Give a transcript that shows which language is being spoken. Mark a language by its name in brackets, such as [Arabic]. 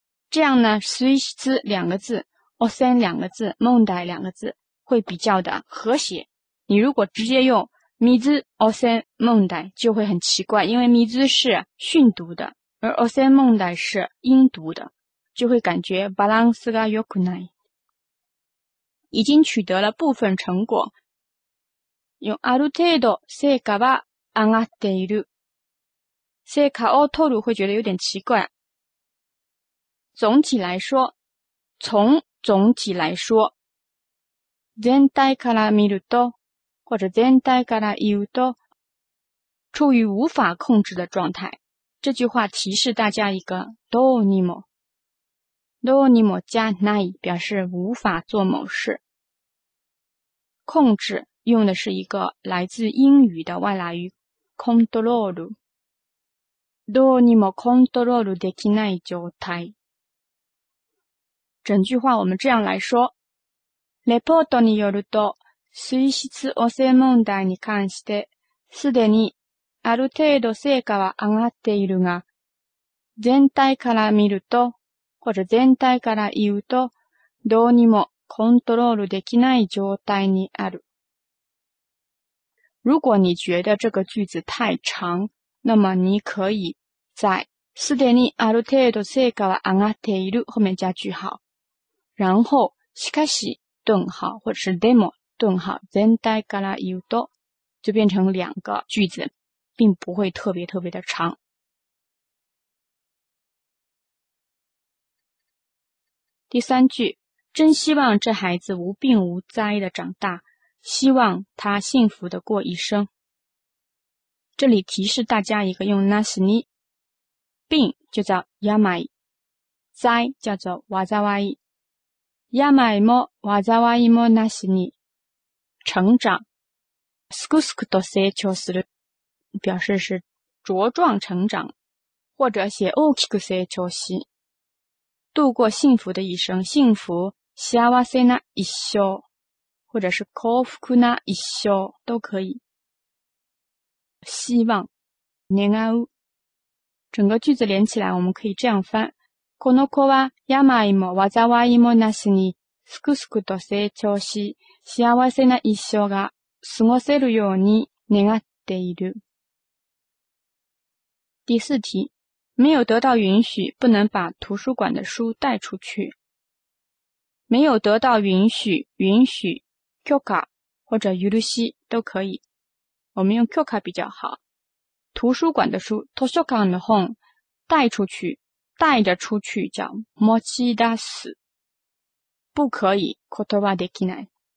[Chinese] 这样呢，水質两个字、汚染两个字、問題两个字会比较的和谐。你如果直接用水汚染問題就会很奇怪，因为水是训读的，而汚染問題是音读的，就会感觉 [Japanese] バランスが良くない。 [Chinese] 已经取得了部分成果。 [Japanese] 用ある程度成果は上がっている。成果を取る [Chinese] 会觉得有点奇怪。总体来说，从总体来说， [Japanese] 全体から見ると。 [Chinese] 或者 [Japanese] 全体から言うと， [Chinese] 处于无法控制的状态。这句话提示大家一个どうにも。どうにもじゃない表示无法做某事。控制用的是一个来自英语的外来语コントロール。 [Japanese] どうにもコントロールできない状態。 [Chinese] 整句话我们这样来说。 [Japanese] レポートによると水質汚染問題に関して、すでにある程度成果は上がっているが、全体から見ると、これ全体から言うと、どうにもコントロールできない状態にある。 [Chinese] 如果你觉得这个句子太长，那么你可以在 [Japanese] すでにある程度成果は上がっている [Chinese] 后面加句号，然后しかし顿号或者是でも顿号 [Japanese] 全体から言うと， [Chinese] 就变成两个句子，并不会特别特别的长。第三句，真希望这孩子无病无灾的长大，希望他幸福的过一生。这里提示大家一个用なしに，病就叫やまい，灾叫做わざわい。 [Japanese] やまいもわざわいもなしに， [Chinese] 成长， [Japanese] すくすくと成長する， [Chinese] 表示是茁壮成长，或者写 [Japanese] 大きく成長し。 [Chinese] 度过幸福的一生，幸福幸せな一生，或者是幸福な一生都可以。希望願う，整个句子连起来我们可以这样翻， [Japanese] この子は病も災いもなしにすくすくと成長し幸せな一生が過ごせるように願っている。 [Chinese] 第四题，没有得到允许不能把图书馆的书带出去。没有得到允许，允许許可或者許し都可以，我们用許可比较好。图书馆的书，図書館の本，带出去，带着出去叫持ち出す，不可以，言葉できない。